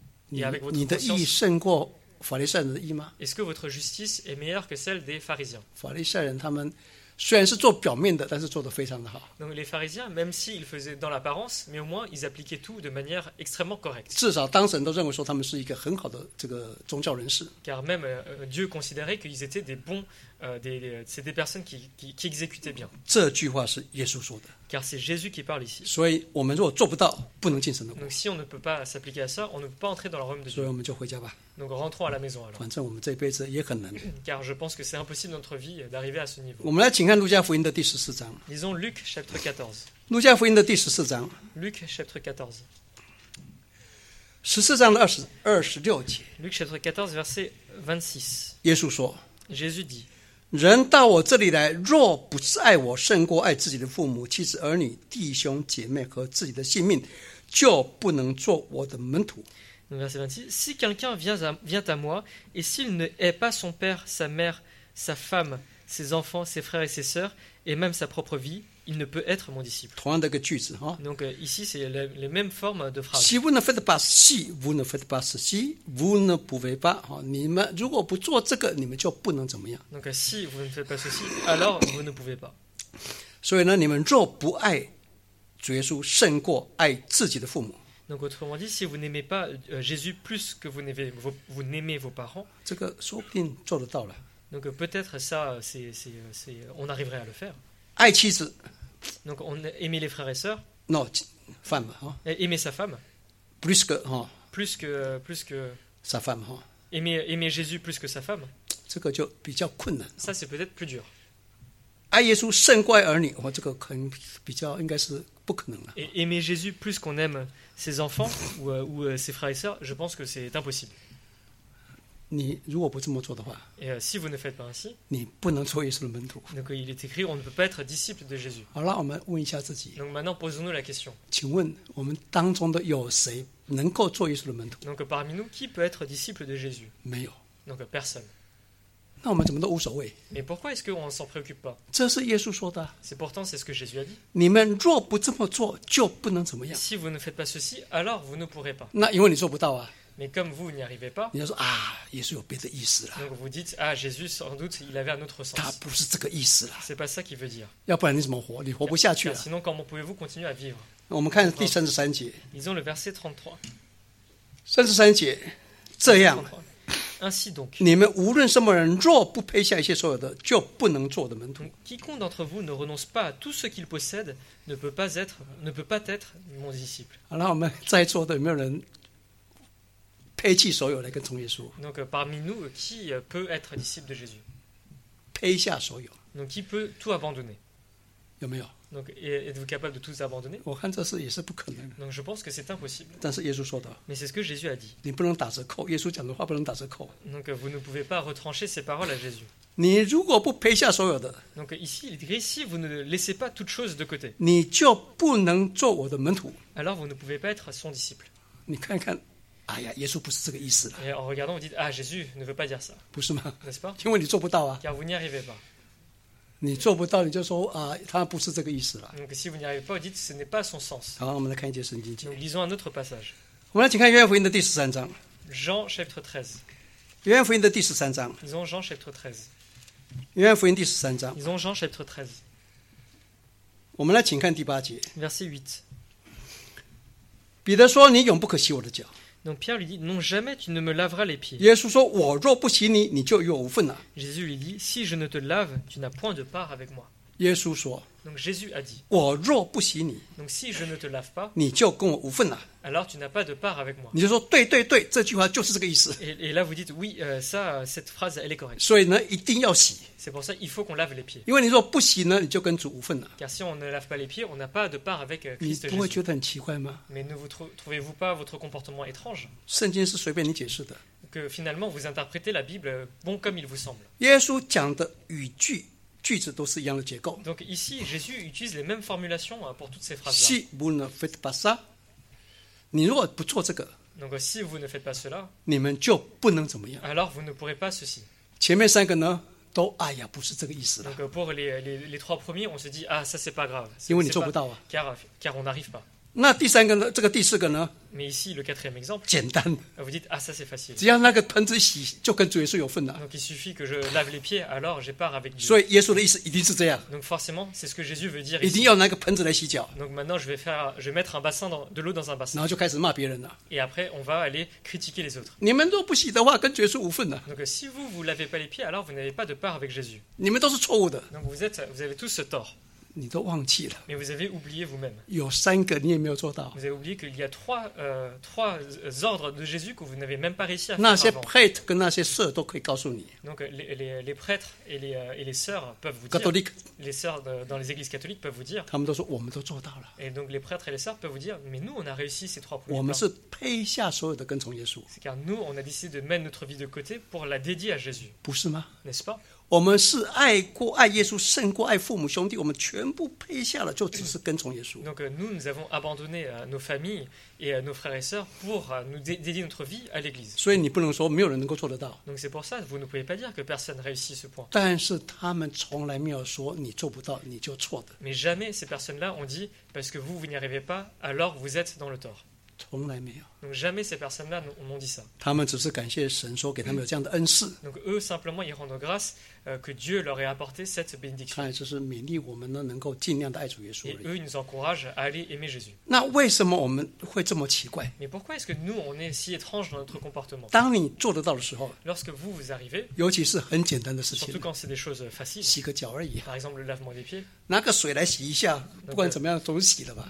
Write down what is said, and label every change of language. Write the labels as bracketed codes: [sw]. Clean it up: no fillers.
[zh] 你的义胜过法利赛人的义吗？ [fr] Est-ce que votre justice est meilleure que celle des pharisiens? [zh] 法利赛人他们虽然是做表面的，但是做得非常的好。 [fr] Donc les pharisiens, même s'ils faisaient dans l'apparence, mais au moins ils appliquaient tout de manière extrêmement correcte. [zh] 至少当事人都认为说他们是一个很好的这个宗教人士。 [fr] Car même Dieu considérait qu'ils étaient des bons, c'est des personnes qui exécutaient bien. [zh] 这句话是耶稣说的。 [fr] Car c'est Jésus qui parle ici. [zh] 所以我们如果做不到，不能进神的国。 [fr] Donc si on ne peut pas s'appliquer à ça, on ne peut pas entrer dans le royaume de Dieu. [zh] 所以我们就回家吧。 [fr] Donc rentrons à la maison alors. [zh] 反正我们这辈子也很难。 [fr] Car je pense que c'est impossible dans notre vie d'arriver à ce niveau. [zh] 我们来请看路加福音的第十四章。 [fr] Lisons Luc chapitre 14. [zh] 路加福音的第十四章。 [fr] Luc chapitre 14. [zh] 十四章的二十六节。 [fr] Luc chapitre 14 verset 26. [zh] 耶稣说。 [fr] Jésus dit. [zh] 人到我这里来，若不是爱我胜过爱自己的父母、妻子、儿女、弟兄、姐妹和自己的性命，就不能做我的门徒。 [fr] Verset 26. Si quelqu'un vient à moi, et s'il ne hait pas son père, sa mère, sa femme, ses enfants, ses frères et ses sœurs, et même sa propre vie, il ne peut être mon disciple. Donc ici, c'est les mêmes formes de phrases. Si vous ne faites pas si, vous ne faites pas ceci, vous ne pouvez pas. Donc si vous ne faites pas ceci, alors vous ne pouvez pas. [zh] 所以呢，你们若不爱耶稣胜过爱自己的父母。 [fr] Donc autrement dit, si vous n'aimez pas Jésus plus que vous n'aimez vos parents, [zh] 这个说不定做得到了。 [fr] Donc peut-être ça, c'est on arriverait à le faire. [zh] 爱妻子。 [fr] Donc on aime les frères et sœurs. Non, femme. Hein? Aimer sa femme. Plus que. Hein? Plus que. Sa femme. Hein? Aimer Jésus plus que sa femme. [zh] 这个就比较困难。 [fr] Ça c'est peut-être plus dur. [zh] 爱耶稣胜过爱儿女，我这个可能比较应该是不可能了。 [fr] Aimer Jésus plus qu'on aime ses enfants ou ses frères et sœurs, je pense que c'est impossible. [zh] 你如果不这么做的话 [fr] et, si vous ne faites pas ainsi, [zh] 你不能做耶稣的门徒。 [fr] Donc il est écrit, on ne peut pas être disciple de Jésus. [zh] 好了，我们问一下自己。 [fr] Donc maintenant posons-nous la question. [zh] 请问我们当中的有谁能够做耶稣的门徒 [fr] ？Donc parmi nous, qui peut être disciple de Jésus？ [zh] 没有。 [fr] Donc personne. [zh] 那我们怎么都无所谓。 [fr] Mais pourquoi est-ce qu'on s'en préoccupe pas ? [zh] 这是耶稣说的。 [fr] C'est pourtant c'est ce que Jésus a dit. [zh] 你们若不这么做，就不能怎么样。 [fr] Si vous ne faites pas ceci, alors vous ne pourrez pas. [zh] 那因为你做不到啊。 [fr] Mais comme vous n'y arrivez pas, [zh] 你要说啊，耶稣有别的意思了。 [fr] Donc vous dites ah, Jésus sans doute il avait un autre sens. [zh] 他不是这个意思了。 [fr] C'est pas ça qu'il veut dire. [zh] 要不然你怎么活？你活不下去了。 [fr] Sinon comment pouvez-vous continuer à vivre ? [zh] 我们看第三十三节。 [fr] Ils ont le verset 33. [zh] 三十三节，这样。 [fr] Ainsi donc, [zh] 你们无论什么人，若不撇下一切所有的，就不能做的门徒。 [fr] Quiconque d'entre vous ne renonce pas à tout ce qu'il possède, ne peut pas être mon disciple. [zh] 好了，我们在座的有没有人撇弃所有来跟从耶稣 [fr] ？Donc parmi nous, qui peut être disciple de Jésus? [zh] 撇下所有。 [fr] Donc qui peut tout abandonner? [zh] 有没有 [fr] ？Donc êtes-vous capable de tout abandonner? [zh] 我看这事也是不可能。 [fr] Donc je pense que c'est impossible. [zh] 但是耶稣说的。 [fr] Mais c'est ce que Jésus a dit. [zh] 你不能打折扣，耶稣讲的话不能打折扣。 [fr] Donc vous ne pouvez pas retrancher ces paroles à Jésus. [zh] 你如果不撇下所有的 [fr] ，Donc ici il dit si vous ne laissez pas toute chose de côté, [zh] 你就不能做我的门徒。 [fr] Alors vous ne pouvez pas être son disciple. [zh] 你看看。哎呀，耶稣不是这个意思了。 [fr] Et en regardant, vous dites, ah, Jésus ne veut pas dire ça. [zh] 不是吗？ [fr] N'est-ce pas? [zh] 因为你做不到啊。 [fr] Car vous n'y arrivez pas. [zh] 你做不到，你就说啊，他不是这个意思了。 [fr] Donc si vous n'y arrivez pas, vous dites, ce n'est pas son sens. [zh] 好，我们来看一节圣经节。 [fr] Donc, lisons un autre passage. [zh] 我们来请看约翰福音的第十三章。 [fr] Jean chapitre 13. [zh] 约翰福音的第十三章。 [fr] Lisons Jean chapitre 13. [zh] 约翰福音第十三章。 [fr] Lisons Jean chapitre 13. [zh] 我们来请看第八节。 [fr] Verset 8. [zh] 彼得说：“你永不可洗我的脚。” [fr] Donc Pierre lui dit, non jamais tu ne me laveras les pieds. [zh] 耶稣说，我若不洗你，你就与我无份了。 [fr] Jésus lui dit, si je ne te lave, tu n'as point de part avec moi. [zh] 耶稣说， [fr] Donc Jésus a dit, [zh] 我若不洗你， [fr] Donc si je ne te lave pas, [zh] 你就跟我无份了。 [fr] Alors tu n'as pas de part avec moi. [zh] 你就说，对对对，这句话就是这个意思。 [fr] Et là vous dites, oui, ça, cette phrase, elle est correcte. [zh] 所以呢，一定要洗。 [fr] C'est pour ça, il faut qu'on lave les pieds. [zh] 因为你若不洗呢，你就跟主无份了。 [fr] Car si on ne lave pas les pieds, on n'a pas de part avec Christ Jésus. [zh] 你不会觉得很奇怪吗？ [fr] Mais ne vous trouvez-vous pas votre comportement étrange? [zh] 圣经是随便你解释的。 [fr] Que finalement, vous interprétez la Bible bon comme il vous semble. [zh] 耶稣讲的语句句子都是一样的结构。 [fr] Donc ici, Jésus utilise les mêmes formulations pour toutes ces phrases-là. Si vous ne faites pas ça, [zh] 你如果不做这个， [fr] Donc si vous ne faites pas cela, [zh] 你们就不能怎么样。 [fr] Alors vous ne pourrez pas ceci. [zh] 前面三个呢，都哎呀，不是这个意思了。 [fr] Donc pour les trois premiers, on se dit ah, ça c'est pas grave. [zh] 因为你做不到啊。 [fr] Car on n'arrive pas. [zh] 那第三个呢？这个第四个呢？ [fr] Mais ici le quatrième exemple. [zh] 简单。 [fr] Vous dites ah, ça c'est facile. [zh] 只要那个盆子洗，就跟主耶稣有份了。 [fr] Donc il suffit que je lave les pieds, alors j'ai part avec Dieu. [zh] 所以耶稣的意思一定是这样。 [fr] Donc forcément, c'est ce que Jésus veut dire. [zh] 一定要拿个盆子来洗脚。 [fr] Donc maintenant je vais mettre un bassin de l'eau dans un bassin. [zh] 然后就开始骂别人了。 [fr] Et après on va aller critiquer les autres. [zh] 你们都不洗的话，跟主耶稣无份了。 [fr] Donc si vous lavez pas les pieds, alors vous n'avez pas de part avec Jésus. [zh] 你们都是错误的。 [fr] Donc vous avez tous ce tort. [zh] 你都忘记了。 [fr] Mais vous avez oublié vous-même. 有三个你也没有做到。 Vous avez oublié qu'il y a trois ordres de Jésus que vous n'avez même pas réussi à faire avant. [zh] 那些prêtres跟那些sœurs都可以告诉你。 [fr] Donc les prêtres et les sœurs peuvent vous dire. Catholiques. Les sœurs dans les églises catholiques peuvent vous dire. [zh] 他们都说我们都做到了。 [fr] Et donc les prêtres et les sœurs peuvent vous dire, mais nous on a réussi ces trois premiers. [zh] 我们是撇下所有的跟从耶稣。 [fr] C'est car nous on a décidé de mettre notre vie de côté pour la dédier à Jésus. [zh] 不是吗？ [fr] N'est-ce pas? [zh] 我们是爱过爱耶稣胜过爱父母兄弟，我们全部配下了，就只是跟从耶稣。 [fr] Donc nous avons abandonné nos familles et nos frères et sœurs pour nous dédier notre vie à l'Église. [zh] 所以你不能说没有人能够做得到。 [fr] Donc c'est pour ça vous ne pouvez pas dire que personne réussit ce point. [zh] 但是他们从来没有说你做不到，你就错的。 [fr] Mais jamais ces personnes-là ont dit parce que vous n'y arrivez pas, alors vous êtes dans le tort. [zh] 从来没有。 [fr] Donc jamais ces personnes-là m'ont dit ça. [zh] 他们只是感谢神说给他们有这样的恩赐。 [fr] Donc eux simplement ils rendent grâce que Dieu leur ait apporté cette bénédiction. [zh] 看来只是勉励我们呢，能够尽量的爱主耶稣。 [fr] Et eux ils nous encouragent à aller aimer Jésus. [zh] 那为什么我们会这么奇怪 [fr] ？Mais pourquoi est-ce que nous on est si étrange dans notre comportement？ [zh] 当你做得到的时候 [fr] ，lorsque vous arrivez， [zh] 尤其是很简单的事情 [fr] ，surtout quand c'est des choses faciles， [zh] 洗个脚而已。 [fr] Par exemple le lavement des pieds。 [zh] 拿个水来洗一下，不管怎么样总洗了吧。